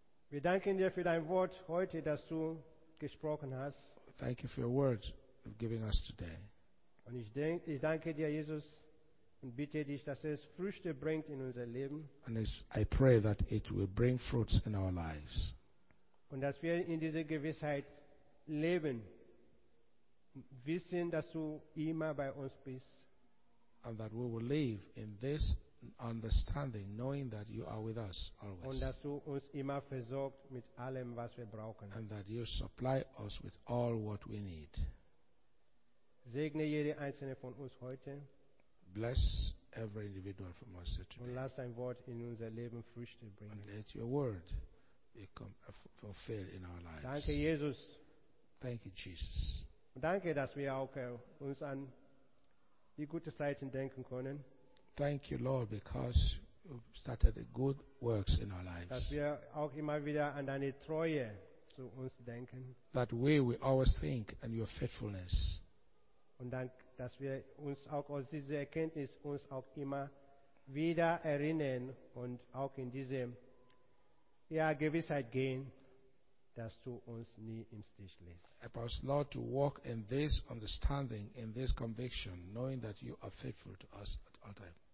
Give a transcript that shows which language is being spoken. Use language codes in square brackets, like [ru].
[de] Wir danken dir für dein Wort heute, das du gesprochen hast. [en] Thank you for your words you've given us today. [de] Und ich danke dir, Jesus, und bitte dich, dass es Früchte bringt in unser Leben. [en] And I pray that it will bring fruits in our lives. [de] Und dass wir in dieser Gewissheit leben, wissen, dass du immer bei uns bist. [en] And that we will live in this understanding, knowing that you are with us always. [de] Und dass du uns immer versorgt mit allem, was wir brauchen. [en] And that you supply us with all what we need. [de] Segne jede einzelne von uns heute. [en] Bless every individual from us today. [de] Und lass dein Wort in unser Leben Früchte bringen. [en] And let your word become fulfilled in our lives. [de] Danke, Jesus. [en] Thank you, Jesus. [de] Danke, dass wir auch uns an die gute Seiten denken können. [en] Thank you, Lord, because you started good works in our lives. [de] Dass wir auch immer wieder an deine Treue zu uns denken. [en] That way we always think and your faithfulness. [de] Und dann, dass wir uns auch aus dieser Erkenntnis uns auch immer wieder erinnern und auch in diese Gewissheit gehen. dass du uns nie im Stich lässt. [en] Help us, Lord, to walk in this understanding, in this conviction, knowing that you are faithful to us at all times.